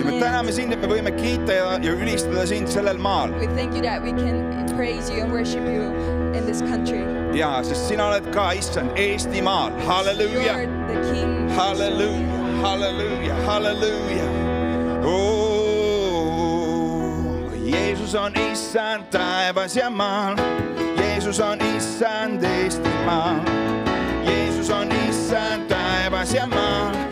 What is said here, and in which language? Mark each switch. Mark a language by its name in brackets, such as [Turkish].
[Estonian] Ja me täname sind, et me võime kiita ja ülistada sind sellel maal. [English] We thank you that we can praise you and worship you in this country. [Estonian] Ja, sest sina oled ka, Issand, Eesti maal. Halleluja. Halleluja, halleluja, halleluja. Oh, Jeesus on Issand taevas ja maal. Jeesus on Issand Eesti maal. Jeesus on Issand taevas ja maal.